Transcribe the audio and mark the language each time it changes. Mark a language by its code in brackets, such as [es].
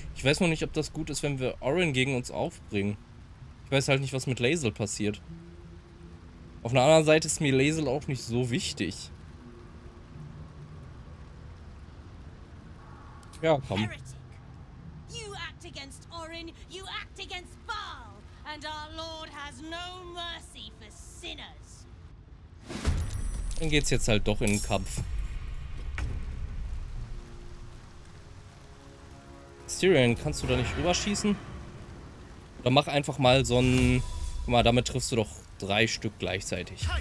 [de] Ich weiß noch nicht, ob das gut ist, wenn wir Orin gegen uns aufbringen. Ich weiß halt nicht, was mit Lazel passiert. Auf einer anderen Seite ist mir Lazel auch nicht so wichtig. Ja, komm. [en] You act against Orin, you act against Baal, and our Lord has no mercy for sinners. [de] Dann geht's jetzt halt doch in den Kampf. Styrian, kannst du da nicht rüberschießen? Oder mach einfach mal so einen. Guck mal, damit triffst du doch drei Stück gleichzeitig.